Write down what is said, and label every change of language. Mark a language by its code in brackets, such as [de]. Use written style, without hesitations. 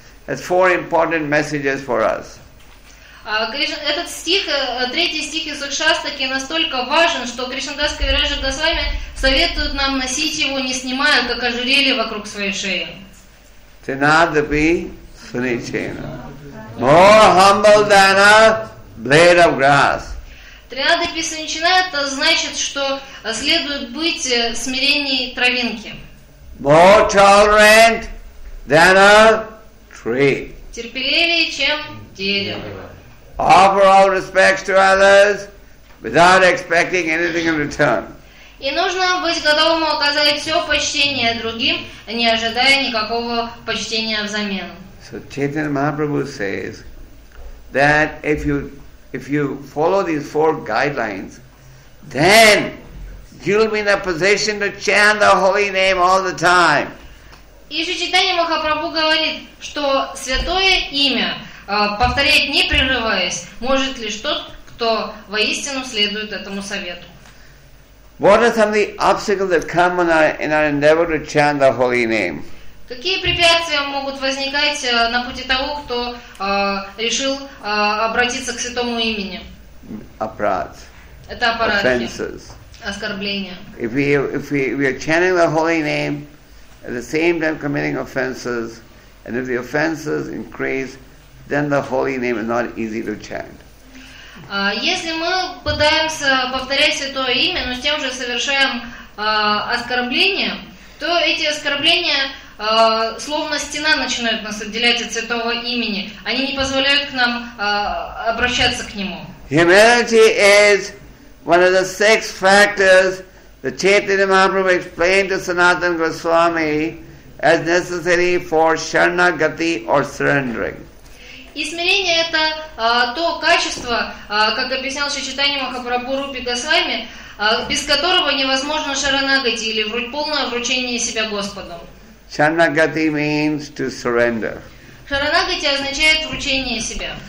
[en] That's four important messages for us. [ru] Этот стих, третий стих из Шастаки, настолько важен, что Кришнадас Кавираджа Госвами советует нам носить его, не снимая, как ожерелье вокруг своей шеи. [sa] Tinadabhi Sunichena. [en] More humble than a blade of grass. [ru] Триада Писанчина – это значит, что следует быть смиренней травинки. [en] More tolerant than a tree. [ru] Терпеливее, чем дерево. [en] Offer all respects to others without expecting anything in return. [ru] И нужно быть готовым оказать все почтение другим, не ожидая никакого почтения взамен. [en] So Chaitanya Mahaprabhu says that if you follow these four guidelines, then you'll be in a position to chant the holy name all the time. [ru] И Шри Чайтанья Махапрабху говорит, что святое имя повторять не прерываясь может лишь тот, кто воистину следует этому совету. [en] What are some of the obstacles that come in our endeavor to chant the holy name? [ru] Какие препятствия могут возникать на пути того, кто решил обратиться к святому имени? Аппарат. Это аппарат. [en] Offenses. [ru] оскорбления. [en] If we are chanting the holy name at the same time committing offenses, and if the offenses increase, then the holy name is not easy to chant. [ru] Если мы пытаемся повторять святое имя, но с тем же совершаем оскорбления, то эти оскорбления словно стена начинают нас отделять от святого имени. Они не позволяют к нам обращаться к нему. [en] Humility is one of the six factors that Chaitanya Mahaprabhu explained to Sanatana Goswami as necessary for Sharanagati or surrendering. [ru] И смирение – это то качество, как объяснял Чайтанья Махапрабху Рупи Госвами, без которого невозможно шаранагати или полное вручение себя Господу. [en] Шаранагати means to surrender. [ru] Шаранагати означает вручение себя.